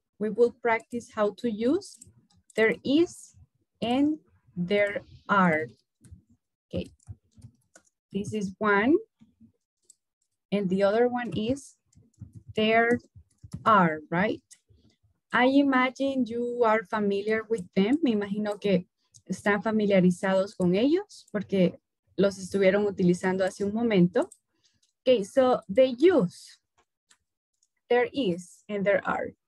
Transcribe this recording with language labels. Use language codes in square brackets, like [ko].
[en] We will practice how to use there is and there are. Okay. This is one. And the other one is there are, right? I imagine you are familiar with them. [es] Me imagino que están familiarizados con ellos porque los estuvieron utilizando hace un momento. [en] Okay, so the use, there is and there are.